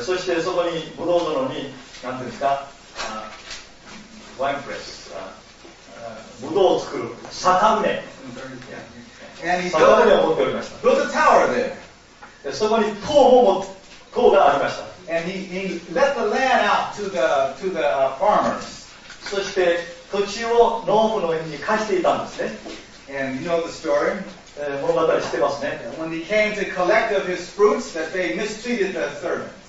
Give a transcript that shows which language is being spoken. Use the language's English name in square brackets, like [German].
[Japanese] そしてそこにブドウ園に、なんていうんですか、ワインプレス、ブドウを作る酒舟、酒舟を持っておりました。 [English] Built a tower there. [Japanese] そこに塔も持って、塔がありました。 [English] And he let the land out to the farmers. [Japanese] そして土地を農夫の人に貸していたんですね。 [English] And you know the story? [Japanese] 物語知ってますね。 [English] When he came to collect of his fruits, that they mistreated the servants.